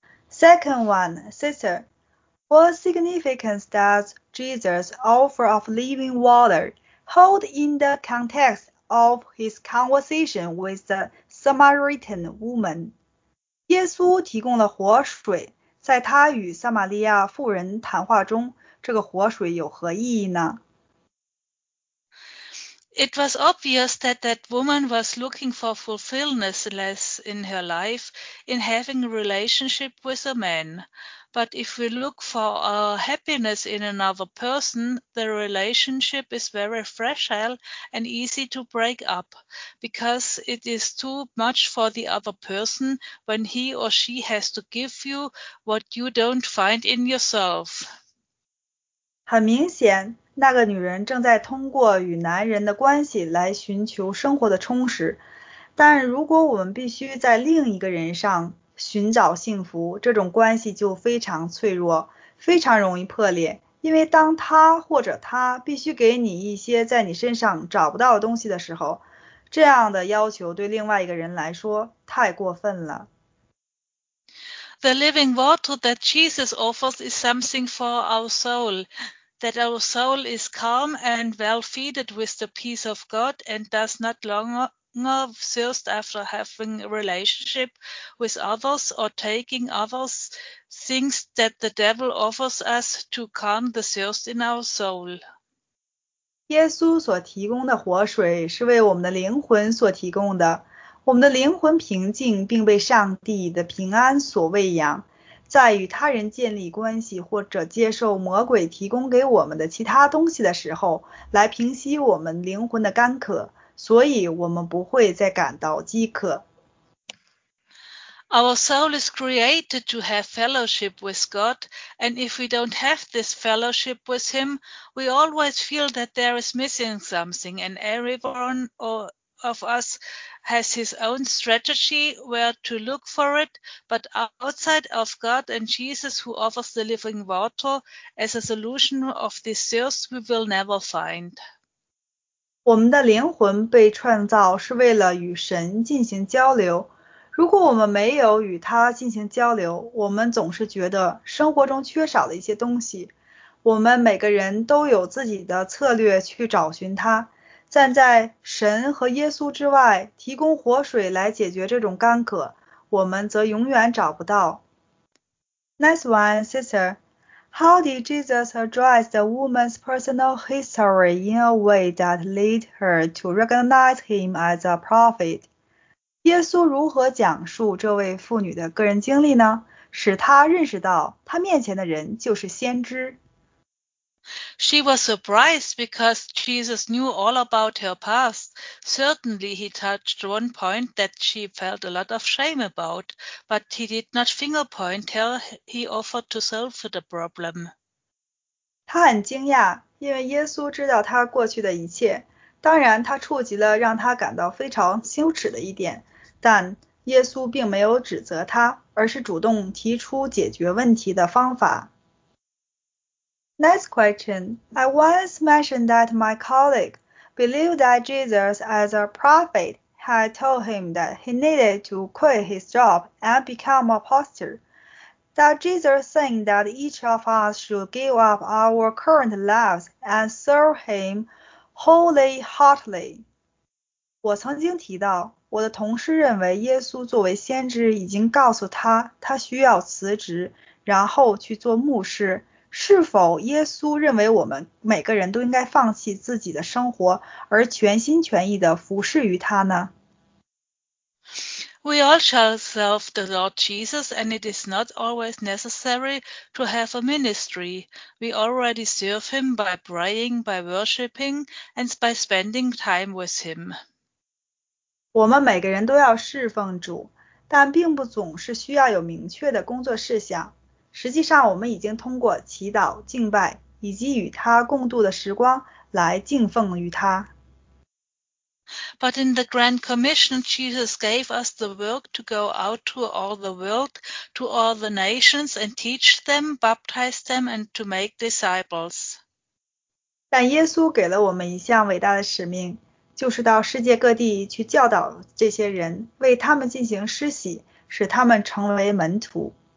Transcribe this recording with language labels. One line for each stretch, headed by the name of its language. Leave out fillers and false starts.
English: Second one, sister, what significance does Jesus' offer of living water hold in the context of his conversation with the Samaritan woman?
Chinese: 耶稣提供了活水，在他与撒玛利亚妇人谈话中，这个活水有何意义呢？
English: It was obvious that that woman was looking for fulfillment in her life in having a relationship with a man. But if we look for our happiness in another person, the relationship is very fragile and easy to break up because it is too much for the other person when he or she has to give you what you don't find in yourself.
Chinese: 很明显。那个女人正在通过与男人的关系来寻求生活的充实，但如果我们必须在另一个人上寻找幸福，这种关系就非常脆弱，非常容易破裂，因为当他或者她必须给你一些在你身上找不到的东西的时候，这样的要求对另外一个人来说太过分了。
English: The living water that Jesus offers is something for our soul. That our soul is calm and well-fed with the peace of God and does not longer thirst after having a relationship with others or taking others things that the devil offers us to calm the thirst in our soul.
Chinese: 耶稣所提供的活水是为我们的灵魂所提供的，我们的灵魂平静并被上帝的平安所喂养。在与他人建立关系或者接受魔鬼提供给我们的其他东西的时候，来平息我们灵魂的干渴，所以我们不会再感到饥渴。
English: Our soul is created to have fellowship with God, and if we don't have this fellowship with Him, we always feel that there is missing something, and everyone of us has his own strategy where to look for it, but outside of God and Jesus who offers the living water as a solution of this thirst we will never find.
Chinese: 我们的灵魂被创造是为了与神进行交流。如果我们没有与他进行交流，我们总是觉得生活中缺少了一些东西。我们每个人都有自己的策略去找寻他。站在神和耶稣之外，提供活水来解决这种干渴，我们则永远找不到。
English: Next one, sister. How did Jesus address the woman's personal history in a way that led her to recognize him as a prophet?
Chinese: 耶稣如何讲述这位妇女的个人经历呢？使她认识到她面前的人就是先知。
English: She was surprised because Jesus knew all about her past. Certainly he touched one point that she felt a lot of shame about, but he did not finger point her, he offered to solve the problem.
Chinese: 她很惊讶，因为耶稣知道她过去的一切。当然她触及了让她感到非常羞耻的一点，但耶稣并没有指责她，而是主动提出解决问题的方法。
English: Next question. I once mentioned that my colleague believed that Jesus as a prophet had told him that he needed to quit his job and become a pastor. Does Jesus think that each of us should give up our current lives and serve him wholeheartedly?
Chinese: 我曾经提到，我的同事认为耶稣作为先知已经告诉他，他需要辞职，然后去做牧师。是否耶稣认为我们每个人都应该放弃自己的生活，而全心全意地服侍于他呢？
English: We all shall serve the Lord Jesus, and it is not always necessary to have a ministry. We already serve him by praying, by worshiping, and by spending time with him.
Chinese: 我们每个人都要侍奉主，但并不总是需要有明确的工作事项。实际上，我们已经通过祈祷、敬拜以及与他共度的时光来敬奉于他。
English: But in the Grand Commission, Jesus gave us the work to go out to all the world, to all the nations, and teach them, baptize them, and to make disciples.
Chinese: 但耶稣给了我们一项伟大的使命，就是到世界各地去教导这些人，为他们进行施洗，使他们成为门徒。